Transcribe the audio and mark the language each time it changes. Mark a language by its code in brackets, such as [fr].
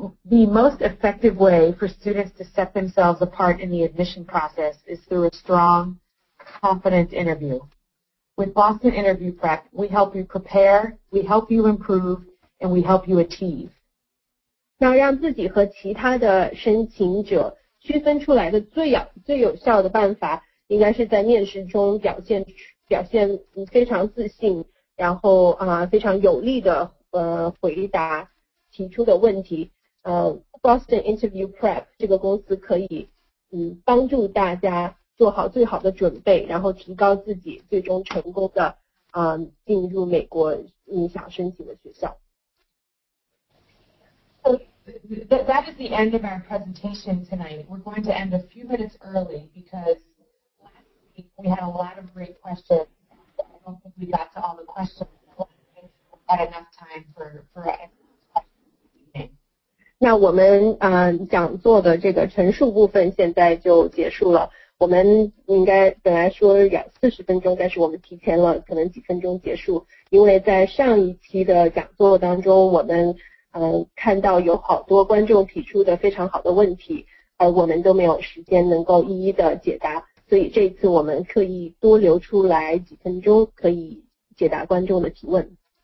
[en] The most effective way for students to set themselves apart in the admission process is through a strong, confident interview. With Boston Interview Prep, we help you prepare, we help you improve, and we help you achieve. [zh] 那让自己和其他的申请者区分出来的最有效的办法，应该是在面试中表现非常自信，然后非常有力的回答提出的问题。 Boston Interview Prep 这个公司可以帮助大家做好最好的准备，然后提高自己最终成功的进入美国你想申请的学校。 [en] That is the end of our presentation tonight. We're going to end a few minutes early because last week we had a lot of great questions. I don't think we got to all the questions. We had enough time for everyone's questions. [zh] 那我们讲座的这个陈述部分现在就结束了。我们应该本来说要40分钟，但是我们提前了可能几分钟结束，因为在上一期的讲座当中我们看到有好多观众提出的非常好的问题，而我们都没有时间能够一一的解答，所以这次我们特意多留出来几分钟可以解答观众的提问。